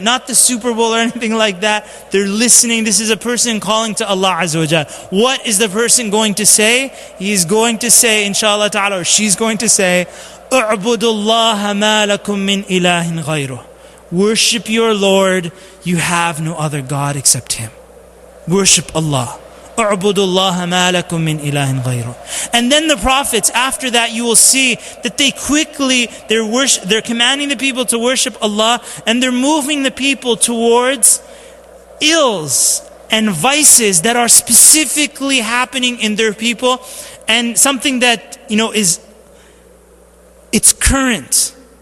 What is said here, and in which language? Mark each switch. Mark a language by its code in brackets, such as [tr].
[en] Not the Super Bowl or anything like that. They're listening. This is a person calling to Allah Azza wa Jalla. What is the person going to say? He's going to say, inshallah ta'ala, or she's going to say, [ar] اعبدوا الله ما لكم من إله غيره. [en] Worship your Lord. You have no other God except Him. Worship Allah. [ar] اعبدوا الله ما لكم من إله غيره. [en] And then the prophets, after that, you will see that they quickly, they're commanding the people to worship Allah, and they're moving the people towards ills and vices that are specifically happening in their people, and something that, you know, is, it's current.